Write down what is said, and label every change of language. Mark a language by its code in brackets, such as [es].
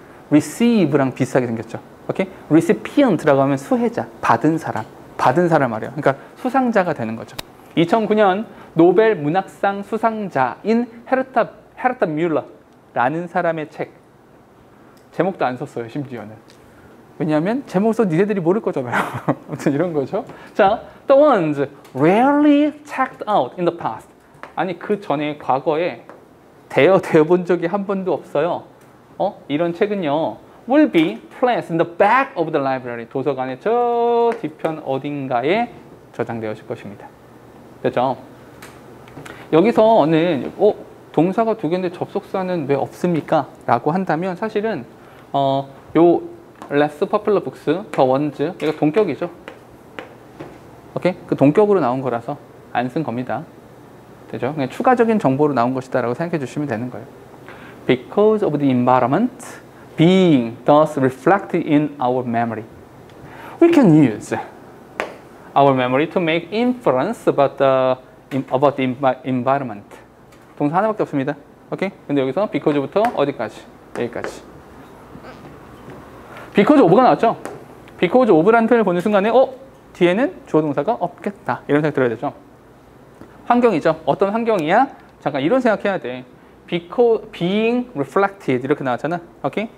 [ko] receive랑 비슷하게 생겼죠. 오케이? recipient라고 하면 수혜자, 받은 사람 말이에요. 그러니까 수상자가 되는 거죠. 2009년 노벨 문학상 수상자인 헤르타 뮬러라는 사람의 책. 제목도 안 썼어요, 심지어는. 왜냐하면 제목에서 니네들이 모를 거잖아요. 아무튼 이런 거죠. 자, [en] the ones rarely checked out in the past. [ko] 아니 그 전에 과거에 대여 본 적이 한 번도 없어요. 어? 이런 책은요. [en] will be placed in the back of the library. [ko] 도서관의 저 뒤편 어딘가에 저장되어 있을 것입니다. 됐죠? 여기서는 동사가 두 개인데 접속사는 왜 없습니까? 라고 한다면 사실은 요 [en] less popular books, the ones, [ko] 얘가 동격이죠. 오케이? 그 동격으로 나온 거라서 안 쓴 겁니다. 되죠? 그냥 추가적인 정보로 나온 것이다 라고 생각해 주시면 되는 거예요. [en] Because of the environment being thus reflected in our memory, we can use our memory to make inference about the environment. [ko] 동사 하나밖에 없습니다. 오케이? 근데 여기서 because부터 어디까지? 여기까지. Because of가 나왔죠? Because of라는 표현을 보는 순간에 뒤에는 주어 동사가 없겠다. 이런 생각 들어야 되죠. 환경이죠. 어떤 환경이야? 잠깐 이런 생각해야 돼. [en] Because being reflected [ko] 이렇게 나왔잖아. 오케이?